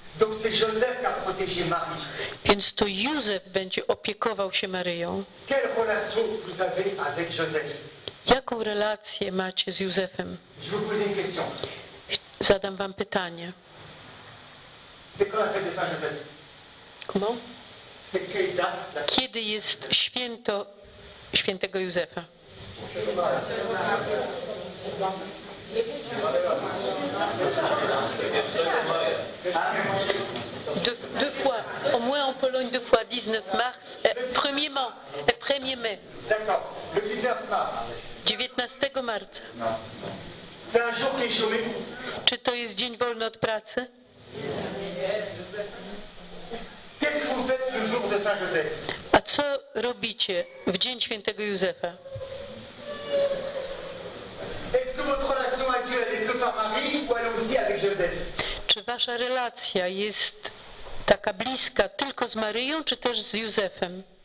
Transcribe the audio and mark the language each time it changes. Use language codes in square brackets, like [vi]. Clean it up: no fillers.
[fr] Donc c'est Joseph qui a protégé Marie. [pl] Więc to Józef będzie opiekował się Maryją. [fr] Quelle relation vous avez avec Joseph? [pl] Jaką relację macie z Józefem? [fr] Je vous pose une question. [pl] Zadam wam pytanie. [fr] C'est quand la fête de Saint Joseph? Comment? C'est quelle date la fête? [pl] Kiedy jest święto świętego Józefa? [fr] Deux fois, au moins en Pologne, deux fois, 19 mars et 1er mai. D'accord, le 19 mars. 19 mars. C'est un jour qui est chômé. [pl] Czy to jest dzień wolny od pracy? [fr] Qu'est-ce que vous faites le jour de Saint-Joseph? [pl] A co robicie w dzień świętego Józefa? [fr] Est-ce que votre relation actuelle est que par Marie ou elle aussi avec Joseph? [pl] Czy wasza relacja jest taka bliska tylko z Maryją, czy też z Józefem?